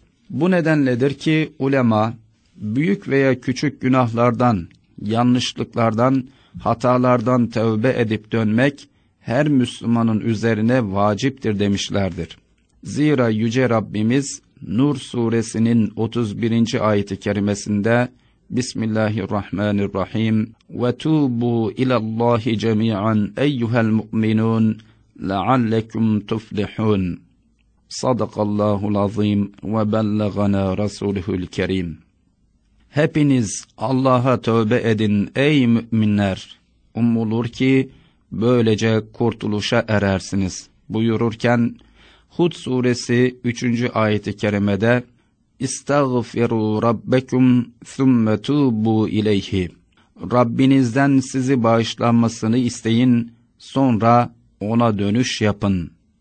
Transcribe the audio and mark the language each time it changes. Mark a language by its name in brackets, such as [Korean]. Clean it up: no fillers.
[Turkish] Bu nedenledir ki ulema, büyük veya küçük günahlardan, yanlışlıklardan, hatalardan tövbe edip dönmek her Müslümanın üzerine vaciptir demişlerdir. Zira Yüce Rabbimiz Nur suresinin 31. ayeti kerimesinde [Arabic] Bismillahirrahmanirrahim وَتُوبُوا اِلَى اللّٰهِ جَمِيعًا اَيُّهَا الْمُؤْمِنُونَ لَعَلَّكُمْ تُفْلِحُونَ صَدَقَ اللّٰهُ الْعَظِيمُ وَبَلَّغَنَا رَسُولُهُ الْكَرِيمُ [Turkish] Hepiniz Allah'a tövbe edin ey müminler! Umulur ki böylece kurtuluşa erersiniz buyururken Hud suresi 3. ayeti kerimede [Arabic] İstagfiru rabbekum thumme tubu ileyhi. [Turkish] Rabbinizden sizi bağışlanmasını isteyin, sonra ona dönüş yapın.